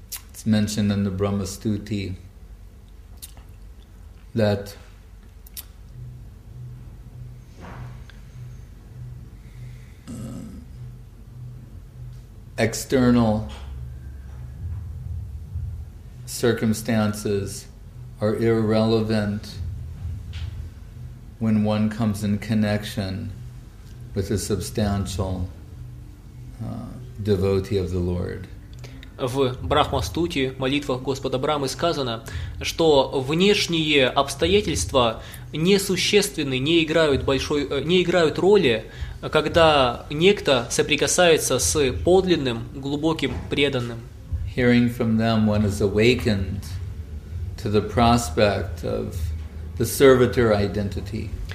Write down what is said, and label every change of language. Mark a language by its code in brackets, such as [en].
[en] It's mentioned in the Brahma Stuti that external circumstances are irrelevant when one comes in connection with a substantial devotee of the Lord. [ru] В Брахмастуте, молитвах Господа Брахмы, сказано, что внешние обстоятельства несущественны, не играют роли, когда некто соприкасается с подлинным, глубоким преданным. [en] Hearing from them, one is awakened to the prospect of the servitor identity.